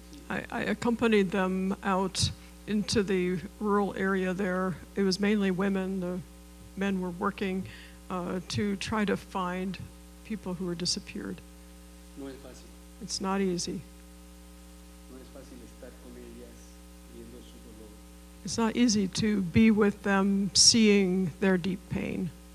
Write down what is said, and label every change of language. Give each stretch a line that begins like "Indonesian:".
English: I accompanied them out into the rural area there. It was mainly women, the men were working to try to find people who were disappeared.
Spanish: No es fácil.
English: It's not easy.
Spanish: No es fácil estar con ellas viendo su dolor.
English: It's not easy to be with them seeing their deep pain.